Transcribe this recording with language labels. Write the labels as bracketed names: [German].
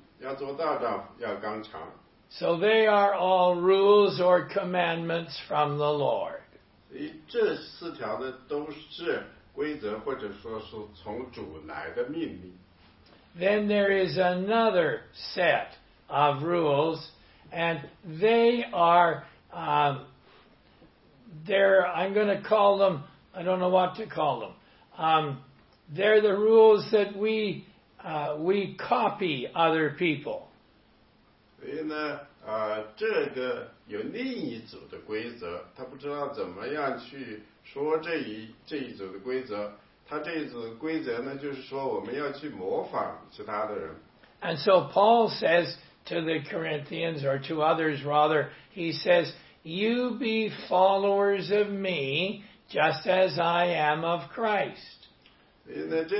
[Chinese] 所以呢，他读的呢是第13节，你们务要警醒，在真道上站立得稳，要做道长，要刚强。 [English] So they are all rules or commandments from the Lord. [Chinese] 所以这四条呢都是规则，或者说是从主来的命令。 [English] Then there is another set of rules, and they are, they're the rules that we copy other people. [Chinese] 所以呢，这个有另一组的规则，他不知道怎么样去说这一组的规则。 [English] And so Paul says to the Corinthians, or to others rather, he says, you be followers of me, just as I am of Christ.